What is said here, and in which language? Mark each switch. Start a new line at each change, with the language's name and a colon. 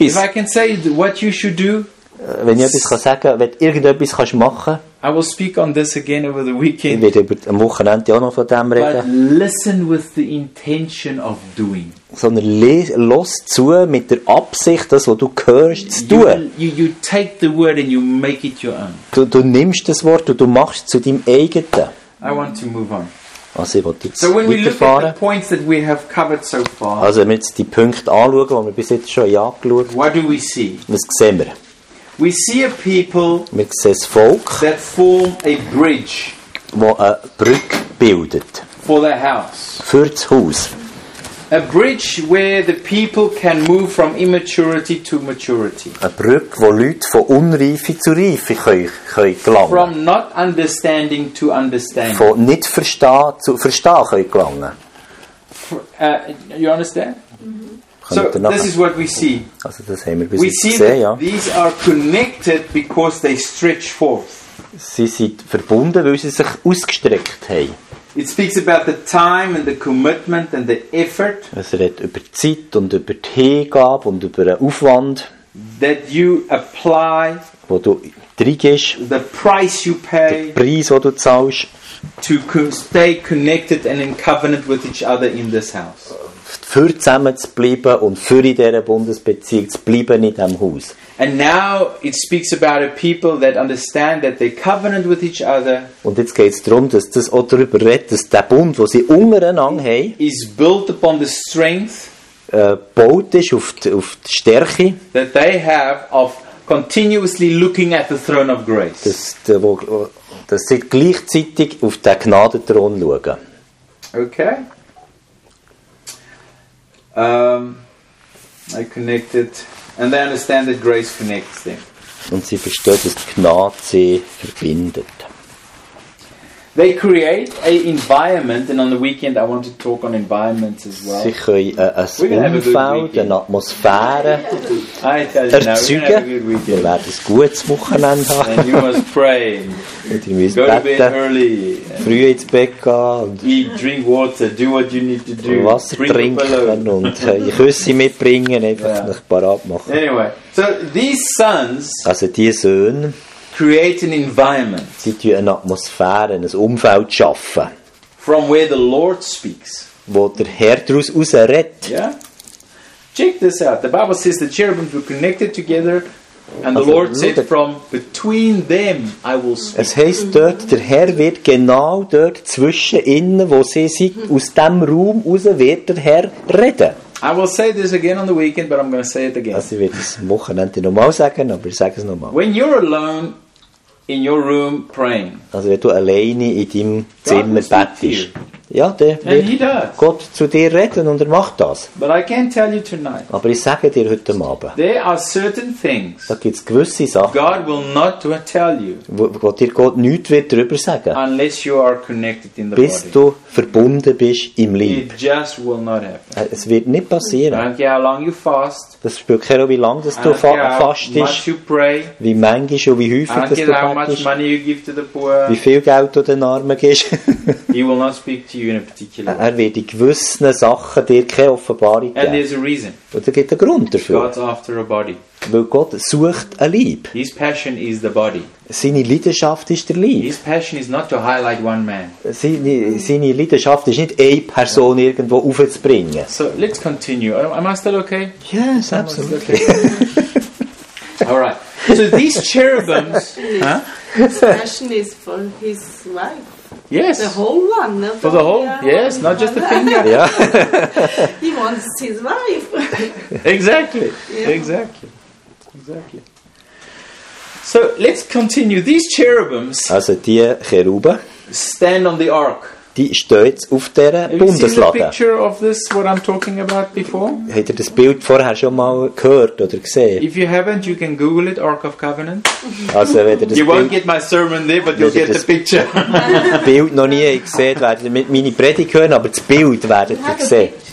English: If I can say what you should do,
German: wenn ich etwas sagen kann, wenn du irgendetwas machen kannst,
English: I will speak on this again over the weekend,
German: ich werde am Wochenende auch noch von dem reden.
English: But listen with the intention of doing.
German: Sondern los zu mit der Absicht, das, was du hörst, zu
English: you
German: tun.
English: You take the word and you make it your own.
German: Du nimmst das Wort und du machst es zu deinem eigenen.
English: I want to move on.
German: Also, ich will jetzt
English: so when we look at the points that we have covered so far.
German: Also, wenn wir jetzt die Punkte anschauen, die wir bis jetzt schon angeschaut haben.
English: What do we see?
German: Was sehen wir?
English: We see a people.
German: Wir sehen das Volk.
English: That form a bridge.
German: Wo eine Brücke bildet.
English: For the house.
German: Für das Haus.
English: A bridge where the people can move from immaturity to maturity.
German: Eine Brücke, wo Leute von Unreife zu Reife können gelangen.
English: From not understanding to understanding.
German: Von nicht verstehen zu verstehen können gelangen.
English: You understand? Mm-hmm. So this is what we see.
German: Also das haben wir bis
English: we
German: jetzt
English: see
German: gesehen, ja.
English: These are connected because they stretch forth.
German: Sie sind verbunden, weil sie sich ausgestreckt haben.
English: It speaks about the time and the commitment and the effort.
German: Es redet über Zeit und über die Hingabe und über den Aufwand.
English: That you apply.
German: Wo du reingehst.
English: The price you pay.
German: Der Preis, wo du zahlst.
English: To stay connected and in covenant with each other in this house.
German: Für zusammen zu bleiben und für in dieser Bundesbeziehung zu bleiben in diesem Haus.
English: And now it speaks about a people that understand that they covenant with each other.
German: Und jetzt geht's darum, dass das auch darüber redet, dass der Bund, wo sie untereinander haben,
English: is built upon the strength,
German: baut ist auf die Stärke,
English: that they have of continuously looking at the throne of grace.
German: Dass sie gleichzeitig auf den Gnadenthron schauen.
English: Okay. I connected. And they understand that grace connects them.
German: Und sie verstehen, dass die Gnade sie verbindet.
English: They create an environment, and on the weekend I want to talk on environments as well.
German: Sie können ein Umfeld, eine Atmosphäre erzeugen. Wir werden ein gutes Wochenende haben.
English: And you must pray.
German: Und ihr müsst beten. Früh ins Bett gehen.
English: Eat, drink water, do what you need to do.
German: Wasser trinken und Küsse mitbringen, einfach yeah. Nicht parat machen.
English: Anyway, so these sons.
German: Also die Söhne.
English: Create an environment.
German: Sie tun eine Atmosphäre, ein Umfeld schaffen.
English: From where the Lord speaks.
German: Wo der Herr daraus raus redet.
English: Yeah. Check this out. The Bible says the cherubims were connected together, and also, the Lord said, from between them I will speak.
German: Es heisst dort, der Herr wird genau dort zwischen ihnen, wo sie sind, aus dem Raum raus wird der Herr reden.
English: I will say this again on the weekend, but I'm going to say it again.
German: Also, ich werde es am Wochenende nochmal sagen, aber ich sage es nochmal.
English: When you're alone, in your room praying.
German: Also wenn du alleine in deinem Zimmer betest. Ja, der wird Gott zu dir reden und er macht das.
English: But I can tell you tonight,
German: aber ich sage dir heute Abend,
English: there are certain things,
German: da gibt es gewisse Sachen,
English: God will not tell you,
German: wo dir Gott nichts wird darüber sagen,
English: unless you are connected in the
German: bis
English: body.
German: Du verbunden bist im Leib.
English: It just will not happen.
German: Es wird nicht passieren.
English: Okay, how long you fast,
German: das spielt keine Rolle, wie lange du fastest, wie manchmal und wie häufig
English: okay,
German: du fastest, wie viel Geld du den Armen gibst.
English: He will not speak to you in a particular way.
German: Er wird in gewissen Sachen dir keine Offenbarung geben.
English: And there's a reason.
German: Und da gibt es einen Grund dafür.
English: God's after a body.
German: Weil Gott sucht ein Leib.
English: His passion is the body.
German: Seine Leidenschaft ist der Leib.
English: His passion is not to highlight one man.
German: Seine Leidenschaft ist nicht, eine Person irgendwo aufzubringen.
English: So, let's continue. Am I still okay? Yes, absolutely. Okay. All right. So these cherubims... His, his passion is for his wife. Yes. The whole one. No? For the whole, yes, not just the finger. Yeah. He wants his wife. Exactly. Yeah. Exactly. Exactly. So let's continue. These cherubims,
German: also die Cheruben,
English: stand on the ark.
German: Die steht auf dieser Bundeslade.
English: Have you seen the picture of this, what I'm talking about before?
German: Habt ihr das Bild vorher schon mal gehört oder gesehen?
English: If you haven't, you can Google it, Ark of Covenant.
German: Also, wenn ihr das
English: you won't get my sermon there, but you'll get the picture.
German: Das Bild noch nie gesehen, werdet ihr meine Predigt hören, aber das Bild werdet ihr sehen.